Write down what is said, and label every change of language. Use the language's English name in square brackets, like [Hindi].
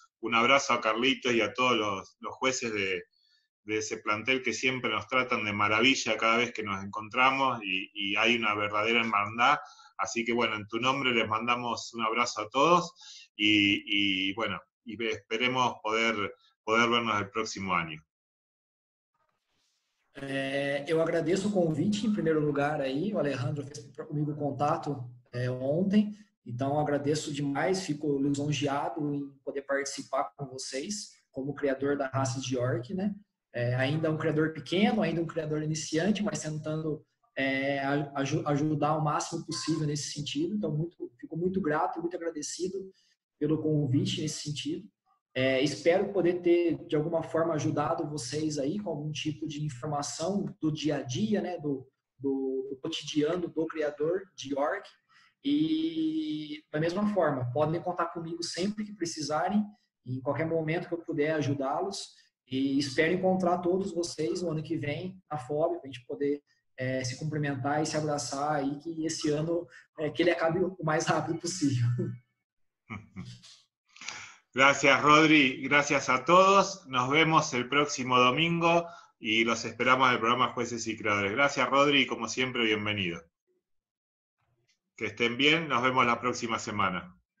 [Spanish] Un abrazo a Carlitos y a todos los jueces de ese plantel que siempre nos tratan de maravilla cada vez que nos encontramos y hay una verdadera hermandad. Así que bueno, en tu nombre les mandamos un abrazo a todos y bueno, y esperemos poder vernos el próximo año. [Portuguese] Eu agradeço o convite em primeiro lugar aí, o Alejandro fez comigo contato ontem, então agradeço demais, fico lisonjeado em poder participar com vocês como criador da raça de York, né? Ainda um criador pequeno, ainda um criador iniciante, mas tentando ajudar o máximo possível nesse sentido. Então, fico muito grato, muito agradecido pelo convite nesse sentido. Espero poder ter, de alguma forma, ajudado vocês aí com algum tipo de informação do dia a dia, né, do cotidiano do criador de York. E, da mesma forma, podem contar comigo sempre que precisarem, em qualquer momento que eu puder ajudá-los. E espero encontrar todos vocês no ano que vem, na FOB, para a gente poder se cumprimentar e se abraçar aí, que esse ano, que ele acabe o mais rápido possível. [Spanish] Gracias, Rodri. Gracias a todos. Nos vemos el próximo domingo y los esperamos en el programa Jueces y Creadores. Gracias, Rodri, y como siempre, bienvenido. Que estén bien. Nos vemos la próxima semana.